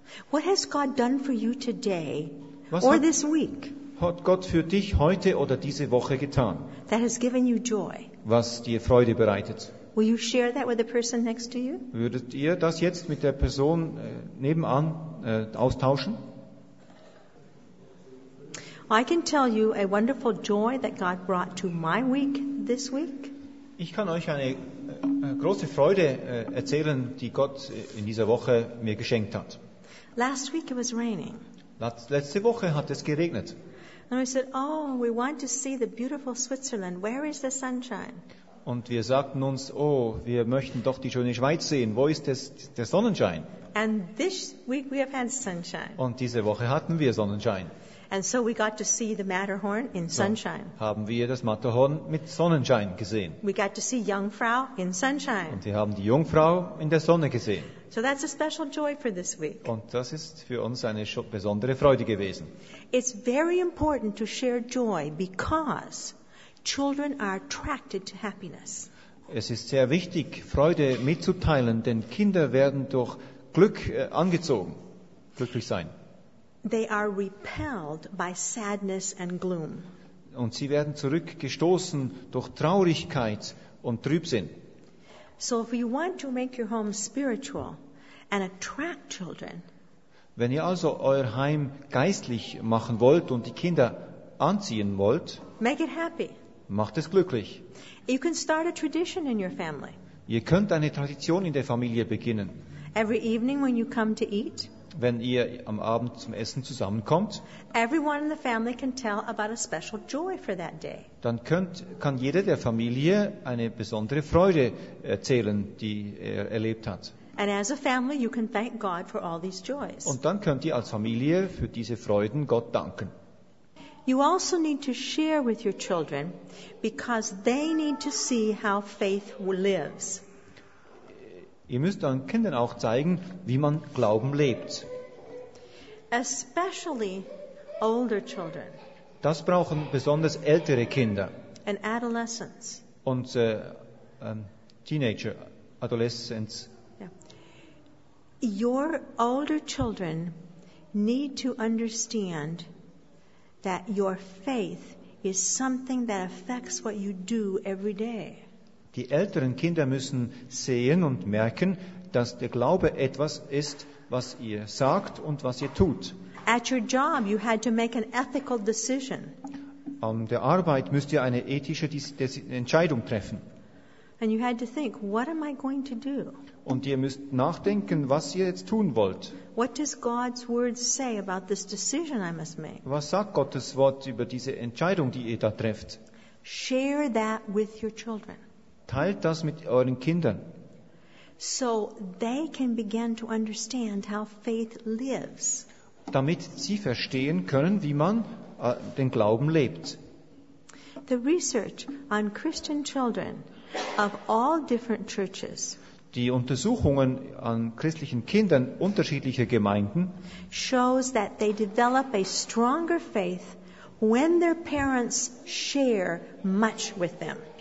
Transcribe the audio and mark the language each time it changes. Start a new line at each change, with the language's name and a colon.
English: What has God done for you today
German: Was hat Gott für dich heute oder diese Woche getan?
English: That has given you joy.
German: Was dir Freude bereitet?
English: Will you share that with the person next to you?
German: Würdet ihr das jetzt mit der Person nebenan austauschen?
English: I can tell you a wonderful joy that God brought to my week this week.
German: Ich kann euch eine große Freude erzählen, die Gott in dieser Woche mir geschenkt hat.
English: Last week it was raining.
German: Letzte Woche hat es geregnet.
English: And we said, oh, we want to see the beautiful Switzerland. Where is the sunshine?
German: Und wir sagten uns, oh, wir möchten doch die schöne Schweiz sehen. Wo ist der Sonnenschein?
English: And this week we have had sunshine.
German: Und diese Woche hatten wir Sonnenschein.
English: And so we got to see the Matterhorn in sunshine.
German: So haben wir das Matterhorn mit Sonnenschein gesehen.
English: We got to see Jungfrau in sunshine.
German: Und wir haben die Jungfrau in der Sonne gesehen.
English: So that's a special joy for this week.
German: Und das ist für uns eine besondere Freude gewesen.
English: It's very important to share joy because children are attracted to happiness.
German: Es ist sehr wichtig, Freude mitzuteilen, denn Kinder werden durch Glück angezogen, glücklich sein.
English: They are repelled by sadness and gloom.
German: Und sie werden zurückgestoßen durch Traurigkeit und Trübsinn.
English: So if you want to make your home spiritual and attract children,
German: wenn ihr also euer Heim geistlich machen wollt und die Kinder anziehen wollt,
English: make it happy.
German: Macht es glücklich.
English: You can start a tradition in your family.
German: Ihr könnt eine Tradition in der Familie beginnen.
English: Every evening when you come to eat,
German: wenn ihr am Abend zum Essen zusammenkommt,
English: everyone in the family can tell about a special joy for that day.
German: Dann kann jeder der Familie eine besondere Freude erzählen, die er erlebt hat.
English: And as a family, you can thank God for all these joys.
German: Und dann könnt ihr als Familie für diese Freuden Gott danken.
English: You also need to share with your children because they need to see how faith lives.
German: Ihr müsst euren Kindern auch zeigen, wie man Glauben lebt.
English: Especially older children.
German: Das brauchen besonders ältere Kinder.
English: And adolescents.
German: Und Teenager, Adolescents. Yeah.
English: Your older children need to understand that your faith is something that affects what you do every day.
German: Die älteren Kinder müssen sehen und merken, dass der Glaube etwas ist, was ihr sagt und was ihr tut.
English: At your job, you had to make an ethical decision.
German: An der Arbeit müsst ihr eine ethische Entscheidung treffen.
English: And you had to think, what am I going to do?
German: Und ihr müsst nachdenken, was ihr jetzt tun wollt.
English: What does God's word say about this decision I must make?
German: Was sagt Gottes Wort über diese Entscheidung, die ihr da trefft?
English: Share that with your children.
German: Teilt das mit euren Kindern.
English: So they can begin to understand how faith lives.
German: Damit sie verstehen können, wie man den Glauben lebt.
English: The research on Christian children of all different churches.
German: Die Untersuchungen an christlichen Kindern unterschiedlicher Gemeinden
English: shows that they develop a stronger faith when their parents share much with them.